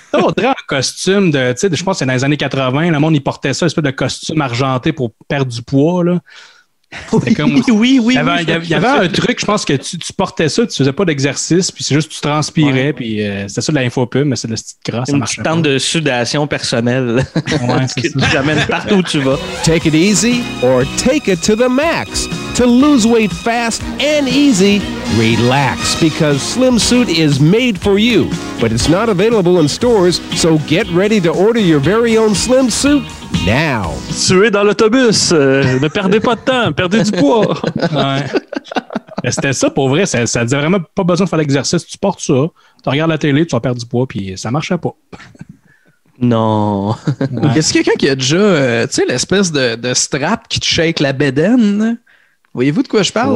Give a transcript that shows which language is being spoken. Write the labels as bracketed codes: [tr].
[fr] On dirait un costume de, tu sais, je pense que c'est dans les années 80, le monde il portait ça, une espèce de costume argenté pour perdre du poids, là. Oui, comme, oui. Il y avait un truc, je pense que tu portais ça, tu faisais pas d'exercice, puis c'est juste que tu transpirais, puis c'était ça de la infopub, mais c'est de la petite crasse. Une petite tente de sudation personnelle. Ouais, c'est que tu amènes partout où tu vas. [en] Take it easy or take it to the max. To lose weight fast and easy, relax, because Slim Suit is made for you. But it's not available in stores, so get ready to order your very own Slim Suit now. [fr] Suez dans l'autobus, ne perdez pas de temps, perdez du poids. Ouais. C'était ça pour vrai, ça disait vraiment pas besoin de faire l'exercice. Tu portes ça, tu regardes la télé, tu vas perdre du poids, puis ça marchait pas. Non. Ouais. Est-ce quelqu'un qui a déjà, tu sais, l'espèce de strap qui te shake la bédaine? Voyez-vous de quoi je parle?